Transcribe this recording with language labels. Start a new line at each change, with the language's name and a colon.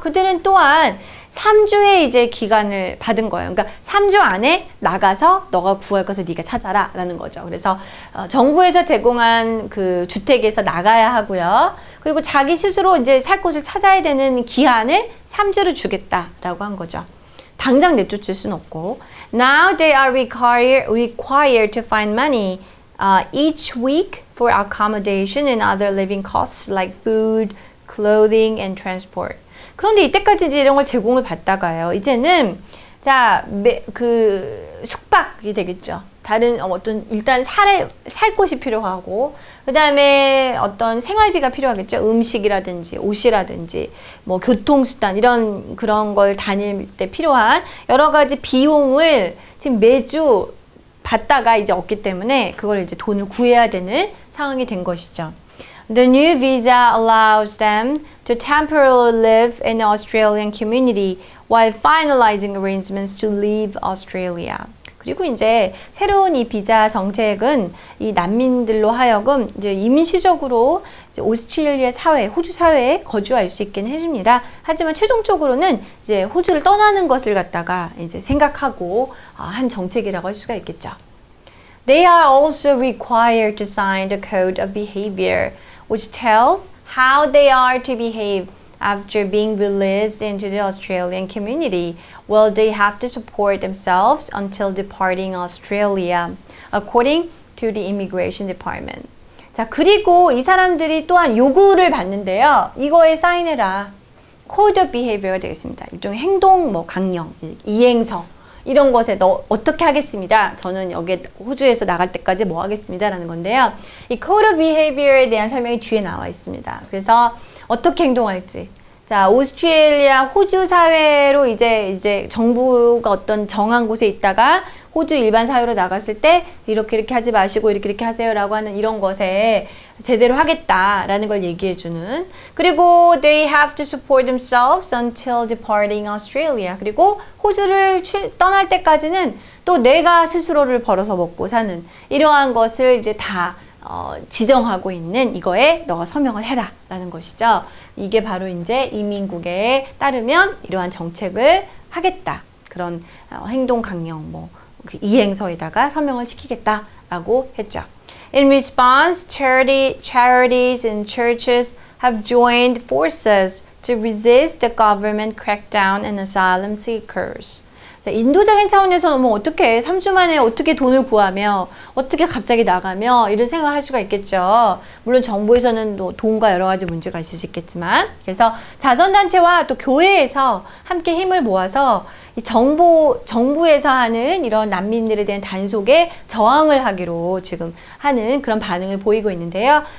Korean: 그들은 또한 3주의 이제 기간을 받은 거예요. 그러니까 3주 안에 나가서 너가 구할 것을 네가 찾아라 라는 거죠. 그래서 정부에서 제공한 그 주택에서 나가야 하고요. 그리고 자기 스스로 이제 살 곳을 찾아야 되는 기한을 3주를 주겠다라고 한 거죠. 당장 내쫓을 수는 없고.
English: Now they are required to find money each week for accommodation and other living costs like food, clothing and transport.
Korean: 그런데 이때까지 이제 이런 걸 제공을 받다가요. 이제는 자, 그 숙박이 되겠죠. 다른 어떤 일단 살 곳이 필요하고 그다음에 어떤 생활비가 필요하겠죠. 음식이라든지 옷이라든지 뭐 교통수단 이런 그런 걸 다닐 때 필요한 여러 가지 비용을 지금 매주 받다가 이제 없기 때문에 그걸 이제 돈을 구해야 되는 상황이 된 것이죠.
English: The new visa allows them to temporarily live in the Australian community while finalizing arrangements to leave Australia.
Korean: 그리고 이제 새로운 이 비자 정책은 이 난민들로 하여금 이제 임시적으로 이제 오스트레일리아 사회, 호주 사회에 거주할 수 있긴 해줍니다. 하지만 최종적으로는 이제 호주를 떠나는 것을 갖다가 이제 생각하고 한 정책이라고 할 수가 있겠죠.
English: They are also required to sign the code of behavior, which tells how they are to behave after being released into the Australian community. Well, they have to support themselves until departing Australia, according to the Immigration Department.
Korean: 자, 그리고 이 사람들이 또한 요구를 받는데요. 이거에 사인해라. Code of behavior가 되겠습니다. 일종의 행동, 뭐 강령, 이행서. 이런 것에 너 어떻게 하겠습니다. 저는 여기 호주에서 나갈 때까지 뭐 하겠습니다. 라는 건데요. 이 code of behavior에 대한 설명이 뒤에 나와 있습니다. 그래서 어떻게 행동할지. 자, 오스트레일리아 호주 사회로 이제 정부가 어떤 정한 곳에 있다가 호주 일반 사회로 나갔을 때 이렇게 하지 마시고 이렇게 하세요. 라고 하는 이런 것에 제대로 하겠다라는 걸 얘기해 주는.
English: 그리고 they have to support themselves until departing Australia.
Korean: 그리고 호주를 떠날 때까지는 또 내가 스스로를 벌어서 먹고 사는 이러한 것을 이제 다 지정하고 있는 이거에 너가 서명을 해라 라는 것이죠. 이게 바로 이제 이민국에 따르면 이러한 정책을 하겠다, 그런 행동 강령 뭐 이행서에다가 서명을 시키겠다 라고 했죠.
English: In response, charities and churches have joined forces to resist the government crackdown and asylum seekers.
Korean: 자, 인도적인 차원에서는 뭐 어떻게 3주 만에 어떻게 돈을 구하며 어떻게 갑자기 나가며 이런 생각을 할 수가 있겠죠. 물론 정부에서는 또 돈과 여러 가지 문제가 있을 수 있겠지만, 그래서 자선단체와 또 교회에서 함께 힘을 모아서 이 정부에서 하는 이런 난민들에 대한 단속에 저항을 하기로 지금 하는 그런 반응을 보이고 있는데요.